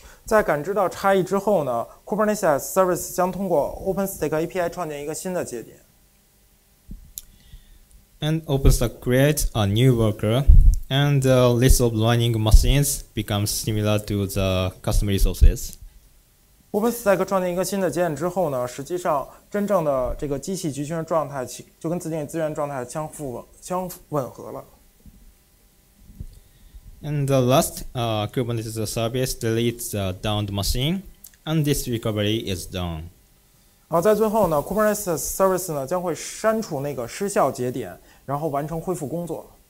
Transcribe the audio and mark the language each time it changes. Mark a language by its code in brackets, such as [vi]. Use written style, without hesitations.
[zh] 在感知到差异之后呢 ，Kubernetes-as-a-Service 将通过 OpenStack API 创建一个新的节点。 [en] And OpenStack creates a new workload, and the list of running machines becomes similar to the custom resources. [zh] OpenStack 创建一个新的节点之后呢，实际上真正的这个机器集群的状态就跟自定义资源状态相吻合了。 [en] And the last, Kubernetes-as-a-Service deletes the downed machine, and this recovery is done. [zh] 好，在最后呢 ，Kubernetes-as-a-Service 呢将会删除那个失效节点。然后完成恢复工作。